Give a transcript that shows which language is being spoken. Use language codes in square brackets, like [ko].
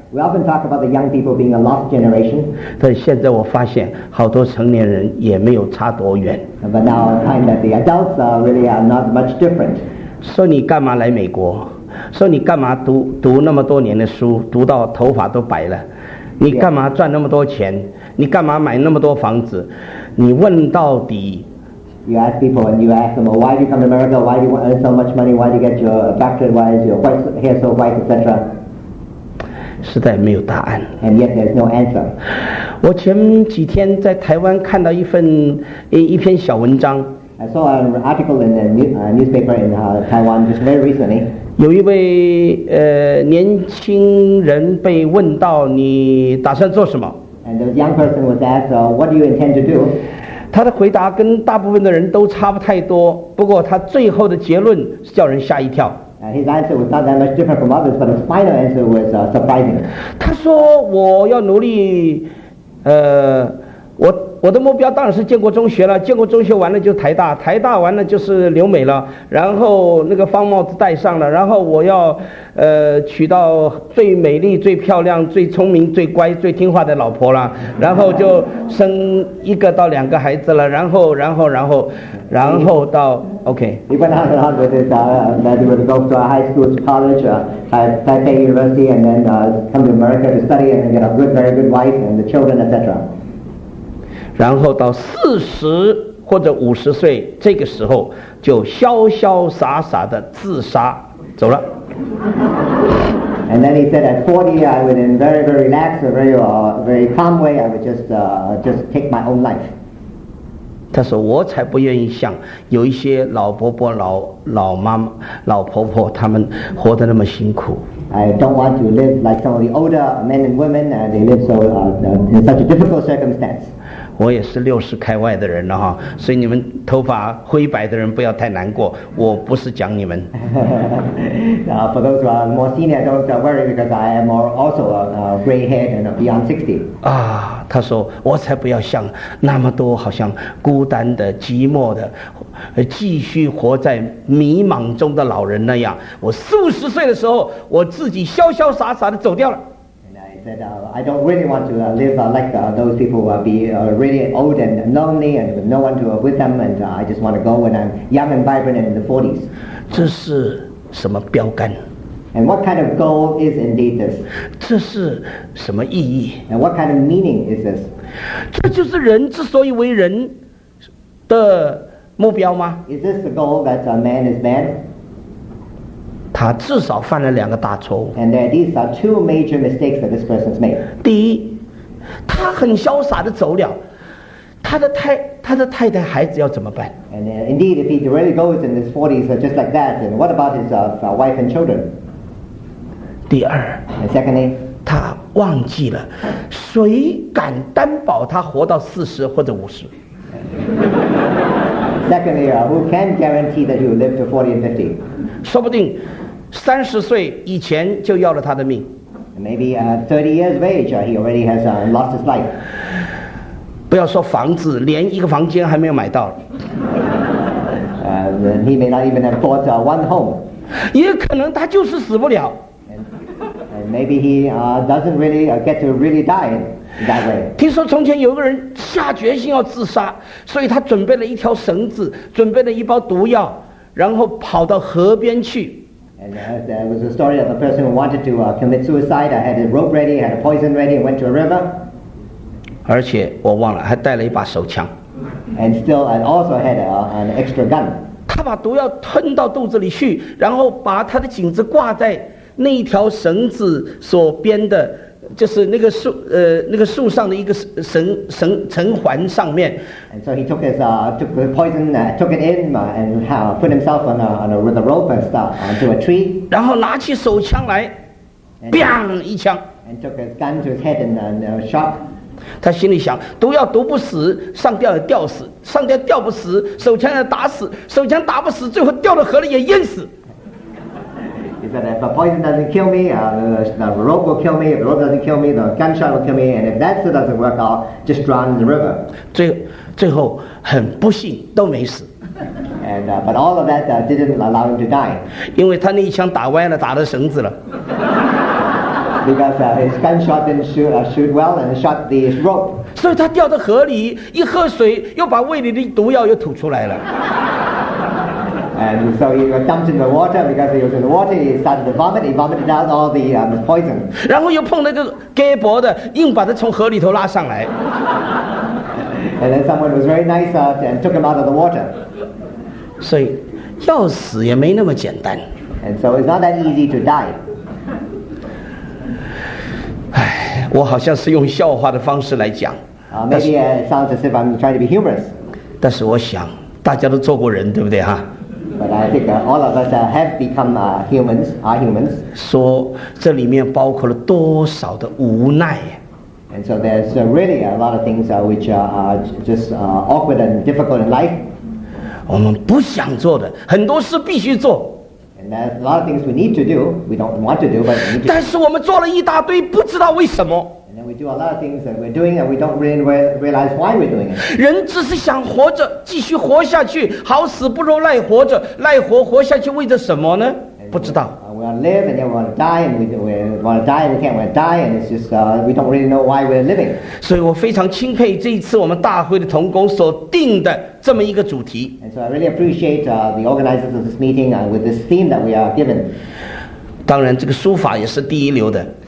[en] We often talk about the young people being a lost generation. [zh] 但现在我发现好多成年人也没有差多远。 [en] But now I find that the adults really are not much different. [zh] 说你干嘛来美国？说你干嘛读那么多年的书，读到头发都白了？你干嘛赚那么多钱？你干嘛买那么多房子？你问到底。 [en] You ask people and you ask them, well, why do you come to America? Why do you earn so much money? Why do you get your doctorate? Why is your hair so white, etc.? [zh] 实在没有答案。 [en] And yet there's no answer. [zh] 我前几天在台湾看到一篇小文章。 [en] I saw an article in a newspaper in Taiwan just very recently. [zh] 有一位年轻人被问到你打算做什么。 [en] And the young person was asked, what do you intend to do? [zh] 他的回答跟大部分的人都差不太多，不过他最后的结论是叫人吓一跳。 [en] His answer was not that much different from others, but his final answer was surprising. [zh] 他说我要努力，我我的目标当然是建国中学了，建国中学完了就台大，台大完了就是留美了，然后那个方帽子戴上了，然后我要娶到最美丽最漂亮最聪明最乖最听话的老婆了，然后就生一个到两个孩子了，然后到 OK 你问他很好的是他们都说 [en] high school to college 台北 university and then come to America to study and get a good very good wife and the children etc. [zh] 然后到四十或者五十岁这个时候就潇潇洒洒的自杀走了。 [en] And then he said at 40 I would in very very relaxed, very calm way, I would just take my own life. [zh] 他说我才不愿意像有一些老伯伯老妈妈老婆婆他们活得那么辛苦。 [en] I don't want to live like some of the older men and women, they live so, in such a difficult circumstance. [zh] 我也是六十开外的人了哈，所以你们头发灰白的人不要太难过，我不是讲你们。 [en] For those who are more senior, don't worry because I am also a gray head and beyond 60. [zh] 啊，他说我才不要像那么多好像孤单的、寂寞的、继续活在迷茫中的老人那样，我四五十岁的时候，我自己潇潇洒洒的走掉了。 [en] That, I don't really want to live like those people who be really old and lonely and with no one to with them and I just want to go when I'm young and vibrant in the 40s. [zh] 这是什么标杆? [en] And what kind of goal is indeed this? [zh] 这是什么意义? [en] And what kind of meaning is this? [zh] 这就是人之所以为人的目标吗? [en] Is this the goal that a man is man? [zh] 他至少犯了两个大错误。 [en] And these are two major mistakes that this person's made. [zh] 第一，他很潇洒地走了，他的太太孩子要怎么办 [en] ？And indeed, if he really goes in his 40s just like that, then what about his wife and children? [zh] 第二 [en] ，And secondly, [zh] 他忘记了，谁敢担保他活到四十或者五十 [en] ？Secondly, who can guarantee that he will live to 40 and 50? [zh] 说不定三十岁以前就要了他的命。 [en] Maybe 30 years of age, he already has lost his life. [zh] 不要说房子，连一个房间还没有买到。 [en] He may not even have bought one home. [zh] 也可能他就是死不了。 [en] And maybe he doesn't really get to really die that way. [zh] 听说从前有个人下决心要自杀，所以他准备了一条绳子，准备了一包毒药。然后跑到河边去。 [en] And there was a story of a person who wanted to commit suicide. I had a rope ready, had a poison ready, went to a river. [zh] 而且我忘了，还带了一把手枪。 [en] And still, I also had an extra gun. [zh] 他把毒药吞到肚子里去，然后把他的颈子挂在那条绳子所编的，就是那个树上的一个绳环上面。 [en] And so he took his took the poison, took it in, and put himself on a with a rope and stuff onto a tree. [zh] 然后拿起手枪来，砰一枪。 [en] And took his gun to his head and shot. [zh] 他心里想，毒药毒不死，上吊也吊死，上吊吊不死，手枪也打死，手枪打不死，最后掉到河里也淹死。 [en] He said, if a poison doesn't kill me, the rope will kill me. If the rope doesn't kill me, the gunshot will kill me. And if that still doesn't work, I'll just drown in the river. [zh] 最后很不幸都没死。 [en] And but all of that didn't allow him to die. [zh] 因为他那一枪打歪了，打了绳子了。 [en] Because his gunshot didn't shoot well and shot the rope. [zh] 所以他掉到河里，一喝水又把胃里的毒药又吐出来了。 [en] And so he was dumped in the water because he was in the water. He started to vomit. He vomited out all the poison. [zh] 然后又碰那个胳膊的，硬把他从河里头拉上来。 [en] And then someone was very nice and took him out of the water. [zh] 所以，要死也没那么简单。 [en] And so it's not that easy to die. [zh] 哎，我好像是用笑话的方式来讲。 [en] Maybe it sounds as if I'm trying to be humorous. [zh] 但是我想，大家都做过人，对不对哈？ [en] But I think all of us have become humans, are humans. [zh] 说这里面包括了多少的无奈。 [en] And so there's really a lot of things which are just awkward and difficult in life. [zh] 我们不想做的，很多事必须做。 [en] And there's a lot of things we need to do, we don't want to do, but we need to. [zh] 但是我们做了一大堆，不知道为什么。 [en] And then we do a lot of things that we're doing and we don't really realize why we're doing it. [zh] 人只是想活着，继续活下去，好死不如赖活着，赖活活下去为着什么呢？不知道。 [en] We want to live and then we want to die and we want to die and we can't want to die and it's just we don't really know why we're living. [zh] 所以我非常钦佩这一次我们大会的同工所定的这么一个主题。 [en] And so I really appreciate the organizers of this meeting with this theme that we are given. [zh] 当然这个书法也是第一流的。